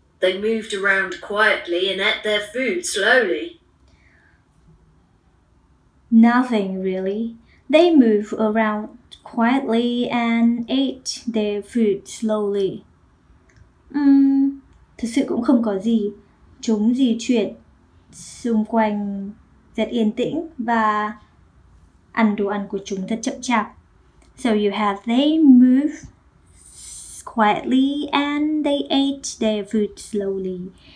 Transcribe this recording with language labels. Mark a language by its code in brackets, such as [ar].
[en] They moved around quietly and ate their food slowly. Nothing really. They moved around quietly and ate their food slowly. [vi] Thực sự cũng không có gì. Chúng di chuyển xung quanh rất yên tĩnh và ăn đồ ăn của chúng rất chậm chạp. [en] So you have they move quietly and they ate their food slowly.